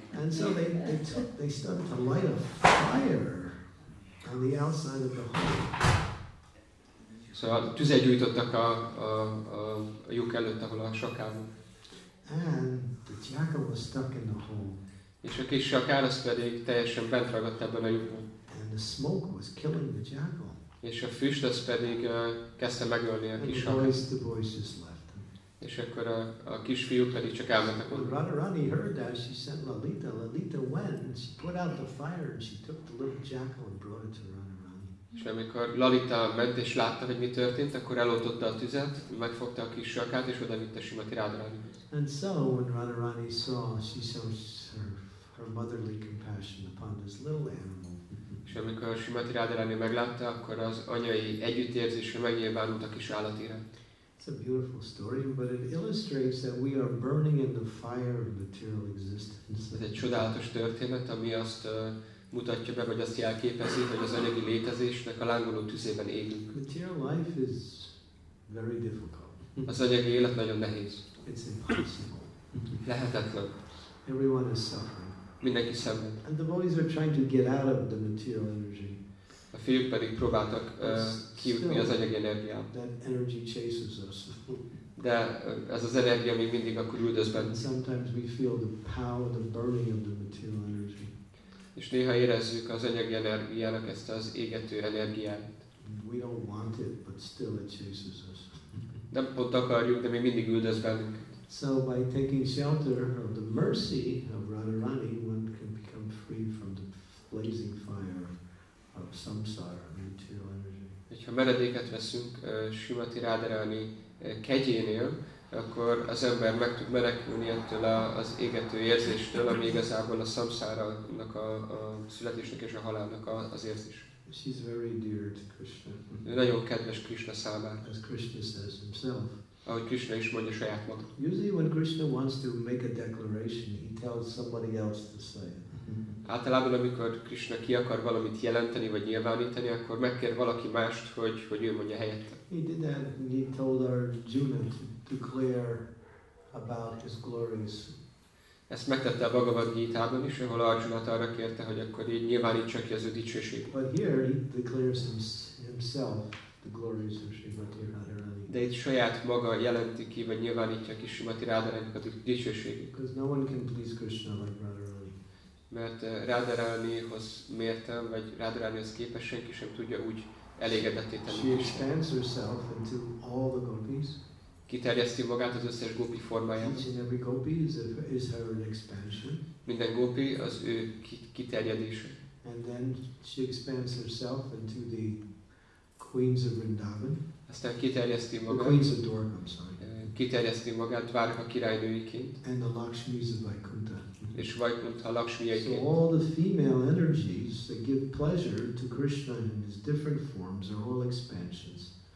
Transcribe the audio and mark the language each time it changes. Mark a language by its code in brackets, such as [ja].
[en] And so they started to light a fire on the outside of the hole. [hu] Szóval tüzet gyújtottak a lyuk előtt, ahol a sakában. [en] And the jackal was stuck in the hole. [hu] És a kis sakáros pedig teljesen bent ragadt ebben a lyukban. [en] And the smoke was killing the jackal. [hu] És a füst az pedig kezdte megölni a kis sakát. Boys és akkor a kis fiú pedig csak elmentek [en] onnan. Radharani heard that, she sent Lalita. Lalita went and she put out the fire and she took the little jackal and brought it to Radharani. [hu] És amikor Lalita ment és látta, hogy mi történt, akkor eloltotta a tüzet, megfogta a kis sakát és odavitte Simati Radharani. [en] And so when Radharani saw, she shows her motherly compassion upon this little animal. [hu] És amikor Simati Radharani meglátta, akkor az anyai együttérzésre megnyilvánult a kis állatira. [en] It's a beautiful story, but it illustrates that we are burning in the fire of material existence. [hu] Ez egy csodálatos történet, ami azt mutatja be, vagy azt jelképezi, hogy az anyagi létezésnek a lángoló tüzében élünk. [en] Material life is very difficult. [hu] Az anyagi élet nagyon nehéz. [en] It's impossible. [hu] Lehetetlen. [en] Everyone is suffering. [hu] Mindenki szenved. [en] And the boys are trying to get out of the material energy. [hu] A fiúk pedig próbáltak kijutni az anyagi energiát. [en] That energy chases us. [hu] De ez az energia még mindig akkor üldöz bennünk. [en] And sometimes we feel the power, the burning of the material energy. [hu] És néha érezzük az anyagi energiának ezt az égető energiát. [en] We don't want it, but still it chases us. [hu] Nem pont akarjuk, de még mindig üldöz bennünk. [en] So by taking shelter of the mercy of Radharani, one can become free from the blazing fire of samsara, material energy. [hu] Hogyha meredéket veszünk Simati Radharani kegyénél, akkor az ember meg tud menekülni ettől az égető érzéstől, ami igazából a szamszárának, a születésnek és a halálnak az érzés. [en] She's very dear to Krishna. [hu] Ő nagyon kedves Krishna számára. [en] As Krishna says himself. [hu] Ahogy Krishna is mondja saját maga. [en] Usually when Krishna wants to make a declaration, he tells somebody else to say it. [hu] Általában, amikor Krishna ki akar valamit jelenteni vagy nyilvánítani, akkor megkér valaki mást, hogy ő mondja helyette. [en] He did that and he told Arjuna to declare about his glories. [hu] Ezt megtette a Bhagavad Gita-ban is, ahol Arjuna arra kérte, hogy akkor így nyilvánítsa ki az ő dicsőség. [en] But here he declares himself the glories of Srimati Radharani. [hu] De itt saját maga jelenti ki, vagy nyilvánítja ki Srimati Radharani a dicsőségét. [en] Because no one can please Krishna like Radharani. [hu] Mert Radharanihoz mértem, vagy Radharanihoz képes senki sem tudja úgy elégedetté tenni. [en] She expands herself into all the gopis. [hu] Kiterjeszti magát az összes gópi formáján. [en] Each and every gopi is her expansion. [hu] Minden gópi az ő kiterjedése. [en] And then she expands herself into the queens of Vrindavan. [hu] Aztán kiterjeszti magát. [en] The queens of Dwarka, I'm sorry. [hu] Kiterjeszti magát Dwarka királynőiként. [en] And the Lakshmis of Vaikuntha. [hu] És Vaikuntha Lakshmiként. [en] So all the female energies that give pleasure to Krishna in his different forms are all expansions.